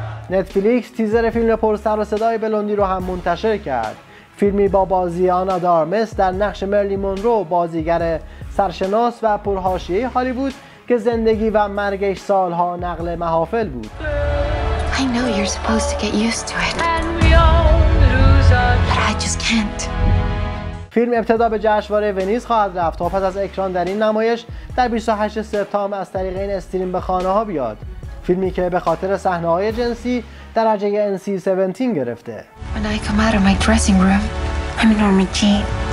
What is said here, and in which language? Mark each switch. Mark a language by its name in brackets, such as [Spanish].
[Persian] نتفلیکس تیزر فیلم پرسر و صدای بلوندی رو هم منتشر کرد. فیلمی با بازی آنا دارمس در نقش مرلی مونرو، بازیگر سرشناس و پرحاشیه هالیوود که زندگی و مرگش سالها نقل محافل بود. [English] I know you're supposed to get used to it. And we all lose our... But I just can't. [Persian] فیلم ابتدا به جشنواره ونیز خواهد رفت تا پس از اکران در این نمایش در 28 سپتامبر از طریق این استریم به خانه ها بیاد. فیلمی که به خاطر صحنه های جنسی درجه NC-17 گرفته. [English] When I come out of my dressing room, I'm Normie Jean.